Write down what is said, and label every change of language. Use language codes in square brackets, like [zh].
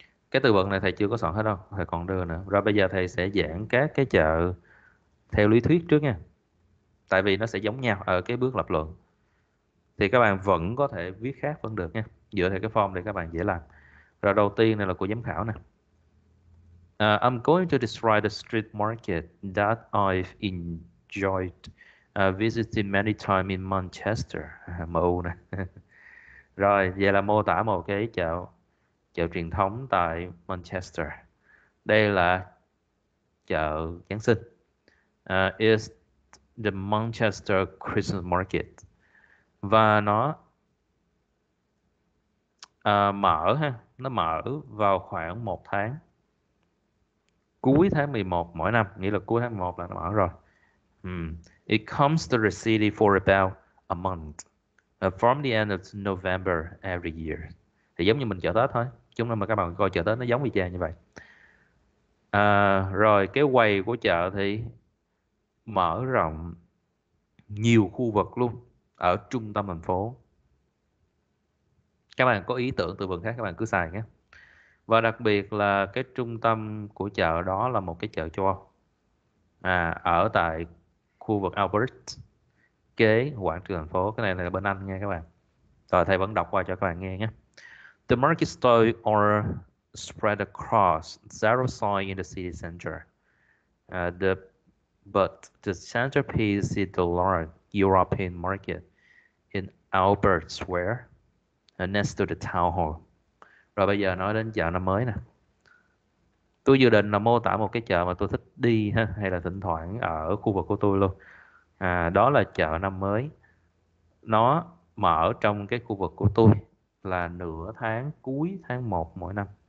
[vi] Cái từ vựng này thầy chưa có soạn hết đâu, thầy còn đưa nữa. Rồi bây giờ thầy sẽ giảng các cái chợ theo lý thuyết trước nha, tại vì nó sẽ giống nhau ở cái bước lập luận, thì các bạn vẫn có thể viết khác vẫn được nha, dựa theo cái form để các bạn dễ làm. Rồi đầu tiên này là của giám khảo nè. [en] I'm going to describe the street market that I've enjoyed visiting many times in Manchester, MU nè. [vi] Rồi, vậy là mô tả một cái chợ chợ truyền thống tại Manchester. Đây là chợ Giáng sinh. [en] Is the Manchester Christmas Market. [vi] Và nó mở ha, nó mở vào khoảng một tháng cuối tháng 11 mỗi năm, nghĩa là cuối tháng 11 là nó mở rồi. [en] It comes to the city for about a month, from the end of November every year. [vi] Thì giống như mình chợ Tết thôi, chúng ta mà các bạn coi chợ Tết nó giống y chang như vậy. Rồi cái quầy của chợ thì mở rộng nhiều khu vực luôn ở trung tâm thành phố. Các bạn có ý tưởng từ vựng khác các bạn cứ xài nhé. Và đặc biệt là cái trung tâm của chợ đó là một cái chợ châu Âu, ở tại khu vực Albert, kế quảng trường thành phố. Cái này là bên Anh nha các bạn. Rồi thầy vẫn đọc qua cho các bạn nghe nhé. [en] The market stall are spread across several sites in the city center. But the centerpiece is the large European market in Albert Square, next to the town hall. [vi] Rồi bây giờ nói đến chợ năm mới nè. Tôi dự định là mô tả một cái chợ mà tôi thích đi ha, hay là thỉnh thoảng ở khu vực của tôi luôn. Đó là chợ năm mới. Nó mở trong cái khu vực của tôi là nửa tháng cuối tháng 1 mỗi năm.